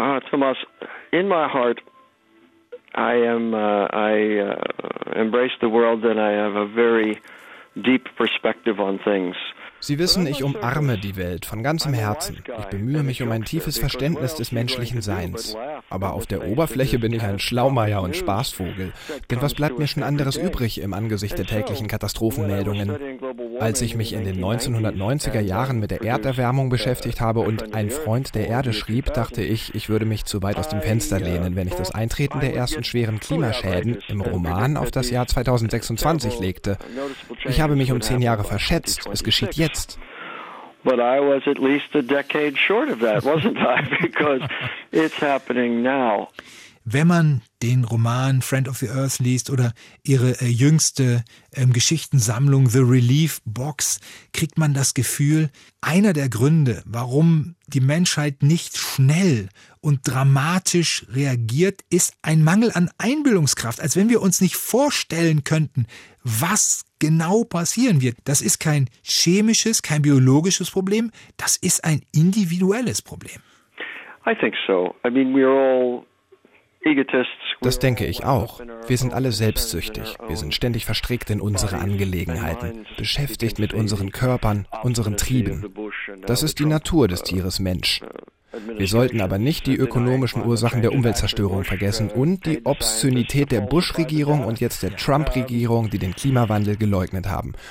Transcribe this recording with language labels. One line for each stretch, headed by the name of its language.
English: Thomas, in my heart, I embrace the world and I have a very deep perspective on things.
German: Sie wissen, ich umarme die Welt von ganzem Herzen. Ich bemühe mich um ein tiefes Verständnis des menschlichen Seins. Aber auf der Oberfläche bin ich ein Schlaumeier und Spaßvogel. Denn was bleibt mir schon anderes übrig im Angesicht der täglichen Katastrophenmeldungen? Als ich mich in den 1990er Jahren mit der Erderwärmung beschäftigt habe und Ein Freund der Erde schrieb, dachte ich, ich würde mich zu weit aus dem Fenster lehnen, wenn ich das Eintreten der ersten schweren Klimaschäden im Roman auf das Jahr 2026 legte. Ich habe mich um 10 Jahre verschätzt. Es geschieht jetzt.
English: But I was at least a decade short of that, wasn't I? Because it's happening now.
German: Wenn man den Roman Friend of the Earth liest oder ihre jüngste Geschichtensammlung The Relief Box, kriegt man das Gefühl, einer der Gründe, warum die Menschheit nicht schnell und dramatisch reagiert, ist ein Mangel an Einbildungskraft. Als wenn wir uns nicht vorstellen könnten, was genau passieren wird. Das ist kein chemisches, kein biologisches Problem. Das ist ein individuelles Problem.
English: I think so. I mean, we're all egotists.
German: Das denke ich auch. Wir sind alle selbstsüchtig. Wir sind ständig verstrickt in unsere Angelegenheiten, beschäftigt mit unseren Körpern, unseren Trieben. Das ist die Natur des Tieres Mensch. Wir sollten aber nicht die ökonomischen Ursachen der Umweltzerstörung vergessen und die Obszönität der Bush-Regierung und jetzt der Trump-Regierung, die den Klimawandel geleugnet haben.